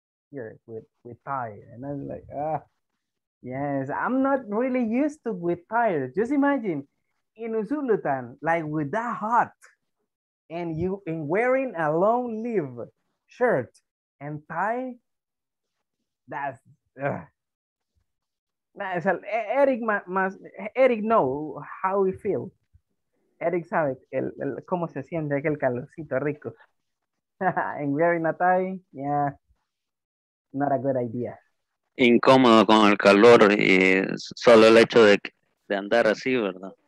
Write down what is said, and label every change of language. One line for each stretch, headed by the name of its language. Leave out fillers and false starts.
English: Here, with tied, and I was like, yes, I'm not really used to with tied. Just imagine. In Usulutan, like with that hot, and you in wearing a long sleeve shirt and tie, that's Eric. Eric, know how we feel.
Spanish: Eric, sabe el cómo se siente aquel calorcito rico.
English: And wearing a tie, yeah, not a good idea.
Spanish: Incómodo con el calor y solo el hecho de andar así, ¿verdad?